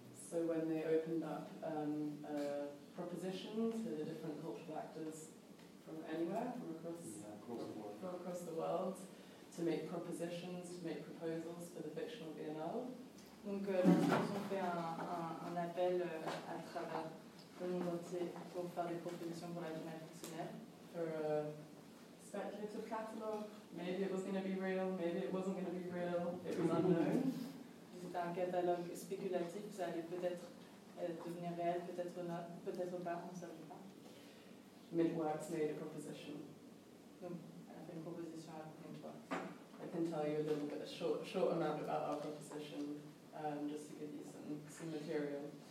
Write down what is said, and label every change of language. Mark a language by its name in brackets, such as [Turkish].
[English] So when they opened up propositions to the different cultural actors from anywhere, from across the world, to make propositions, to make proposals for the fictional biennale. [French] Donc ils ont fait un appel à travers le monde entier pour faire des propositions pour la biennale fictionnelle. [English] For a speculative catalogue, maybe it was going to be real, maybe it wasn't going to be real, it was unknown. [French] C'était un catalogue spéculatif, ça allait peut-être devenir réel, peut-être pas, on ne savait pas. [English] Midworks made a proposition. [French] Donc, elle a fait une proposition à Midworks. [English] I can tell you a little bit, a short amount about our proposition, just to give you some material.